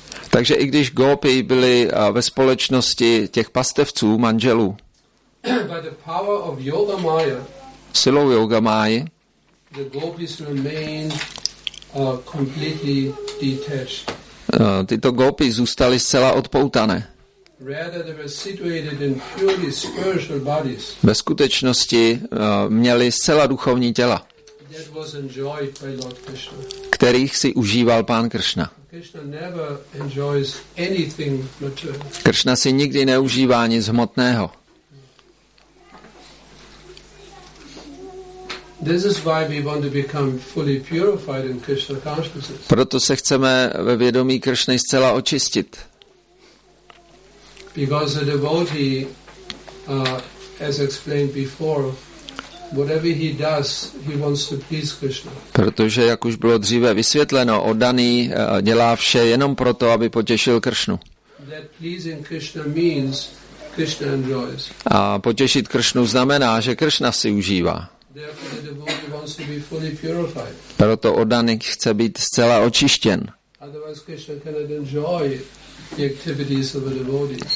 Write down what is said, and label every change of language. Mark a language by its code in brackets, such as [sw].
[cs] Takže i když Gopi byli ve společnosti těch pastevců, manželů, [en] by the power of Yoga Maya, [cs] silou Yoga Maya, [en] the gopis remain completely detached. [cs] Tyto Gopi zůstaly zcela odpoutané. [en] Rather they were situated in purely spiritual bodies. [cs] Ve skutečnosti měli zcela duchovní těla, [en] that was enjoyed by Lord Krishna. [cs] Kterých si užíval pán Kršna. [en] Krishna never enjoys anything material. [cs] Kršna si nikdy neužívá nic hmotného. [en] This is why we want to become fully purified in Krishna consciousness. [cs] Proto se chceme ve vědomí Kršny zcela očistit. [en] Because a devotee, as explained before, whatever he does, he wants to please Krishna. [cs] Protože jak už bylo dříve vysvětleno, oddaný dělá vše jenom proto, aby potěšil Kršnu. [en] That pleasing Krishna means Krishna enjoys. [cs] A potěšit Kršnu znamená, že Kršna si užívá. [en] Therefore the devotee wants to be fully purified. [cs] Proto oddaný chce být zcela očištěn. [en] Otherwise Krishna cannot enjoy it. The activities of the devotees.